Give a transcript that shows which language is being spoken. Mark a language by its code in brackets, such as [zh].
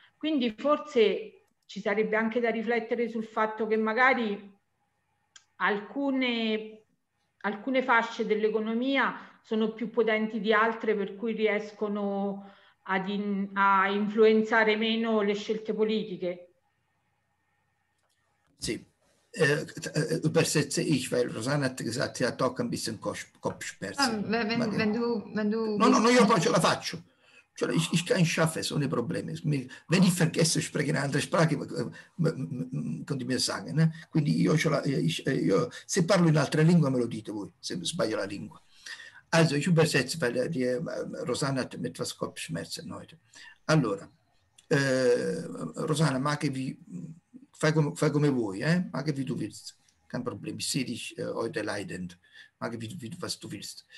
[it] Quindi forse ci sarebbe anche da riflettere sul fatto che magari alcune fasce dell'economia sono più potenti di altre, per cui riescono a influenzare meno le scelte politiche. [de] Sì, übersetze ich, weil Rosanna hat gesagt, sie hat auch ein bisschen Kopfschmerzen. Wenn du [it] no, no, no, ce la faccio. Cioè, [de] ich kann es schaffen, ohne Probleme. Wenn ich vergesse, spreche in andere Sprache, könnt ihr mir sagen. Ne? [it] Quindi io ce la, io, se parlo in altre lingue, me lo dite voi, se sbaglio la lingua. [de] Also, ich übersetze, weil die Rosanna hat etwas Kopfschmerzen heute. [it] Allora, Rosanna, fai come vuoi, eh? [de] Mache wie du willst. Kein Problem, ich sehe dich heute leidend. Mache wie was du willst.